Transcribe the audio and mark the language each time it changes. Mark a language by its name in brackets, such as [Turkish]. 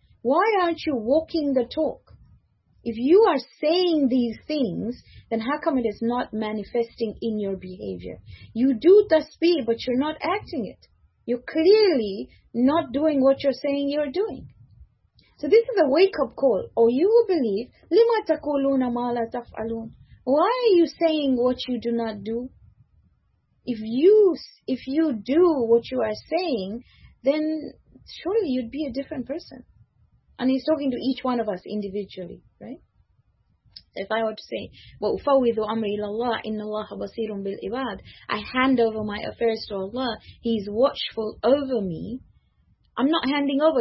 [English] Why aren't you walking the talk? If you are saying these things, then how come it is not manifesting in your behavior? You do tasbih, but you're not acting it. You're clearly not doing what you're saying you're doing. So this is a wake-up call. Or you will believe, [Arabic] لِمَا تَقُولُونَ مَا لَا تَفْعَلُونَ? [English] Why are you saying what you do not do? If you do what you are saying, then surely you'd be a different person. And He's talking to each one of us individually, right? If I were to say, [Arabic] وَأُفَوِّذُ أَمْرِ إِلَى اللَّهِ إِنَّ اللَّهَ بَصِيرٌ بِالْعِبَادِ, [English] I hand over my affairs to Allah, He's watchful over me, I'm not handing over.